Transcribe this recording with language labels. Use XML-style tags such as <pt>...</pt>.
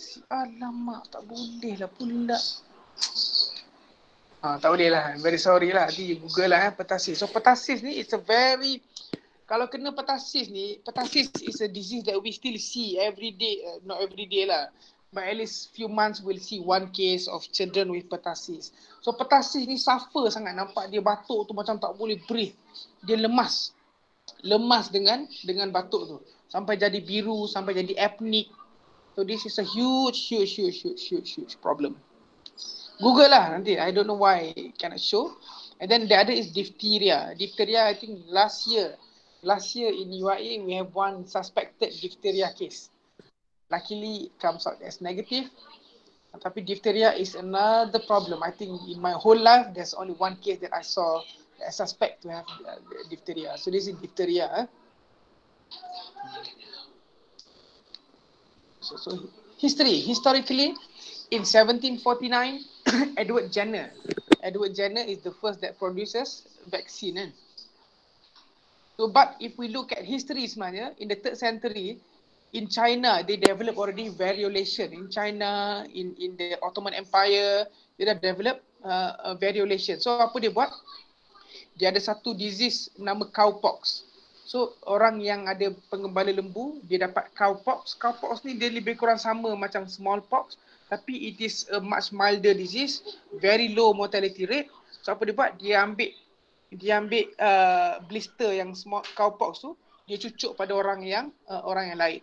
<ms>Alamak, tak boleh lah pula. Tak boleh lah,</ms> <en>I'm very sorry</en> <ms>lah. Nanti you Google lah pertussis.</ms> <en>So pertussis ni, it's a very,</en> <ms>kalau kena pertussis ni,</ms> <en>pertussis is a disease that we still see every day, not every day lah. But at least few months we'll see one case of children with pertussis.</en> <ms>So pertussis ni suffer sangat, nampak dia batuk tu macam tak boleh breathe. Dia lemas dengan batuk tu. Sampai jadi biru, sampai jadi apneic.</ms> <en>So this is a huge problem.</en> <ms>Google lah nanti,</ms> <en>I don't know why cannot show. And then the other is diphtheria. Diphtheria, I think last year in UIA we have one suspected diphtheria case. Luckily comes out as negative. Tapi diphtheria is another problem. I think in my whole life there's only one case that I saw that I suspect to have diphtheria. So this is diphtheria. So historically in 1749 Edward Jenner is the first that produces vaccine. So but if we look at history sebenarnya, in the 3rd century in China, they develop already variolation. In China, in the Ottoman Empire, they have developed variolation.</en> <ms>So apa dia buat? Dia ada satu disease nama cowpox. So orang yang ada penggembala lembu, dia dapat cowpox. Cowpox ni dia lebih kurang sama macam smallpox, tapi</ms> <en>it is a much milder disease, very low mortality rate.</en> <ms>So apa dia buat? Dia ambil blister yang small cowpox tu, dia cucuk pada orang yang lain.</ms>